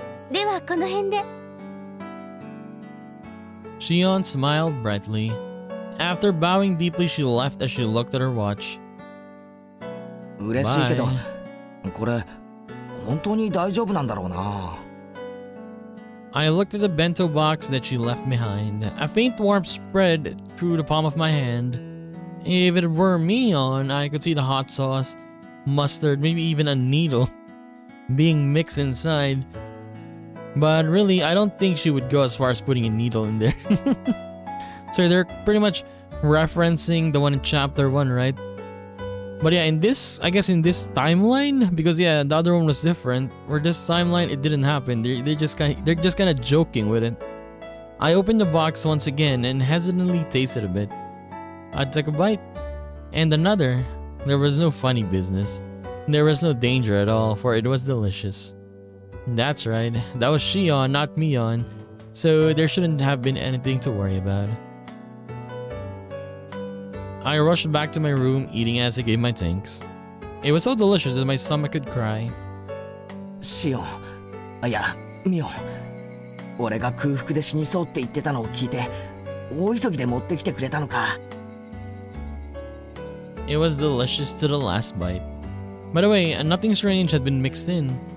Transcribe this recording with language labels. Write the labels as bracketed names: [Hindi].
[Japanese] ではこの辺で。 [English] Shion smiled brightly. After bowing deeply, she left as she looked at her watch. [Japanese] 嬉しいけど、これ本当に大丈夫なんだろうな。 [English] I looked at the bento box that she left behind. A faint warmth spread through the palm of my hand. If it were me on, I could see the hot sauce, mustard, maybe even a needle being mixed inside. But really, I don't think she would go as far as putting a needle in there. So they're pretty much referencing the one in chapter one, right? But yeah, in this, I guess in this timeline, because yeah, the other one was different, where this timeline, it didn't happen. They're just kind of joking with it. I opened the box once again and hesitantly tasted a bit. I took a bite and another. There was no funny business. There was no danger at all, for it was delicious. That's right. That was Shion, not Mion. So there shouldn't have been anything to worry about. I rushed back to my room, eating as I gave my thanks. It was so delicious that my stomach could cry. Shion, yeah, Mion. [Japanese] 俺が空腹で死にそうって言ってたのを聞いて、大急ぎで持ってきてくれたのか。 [English] It was delicious to the last bite. By the way, nothing strange had been mixed in.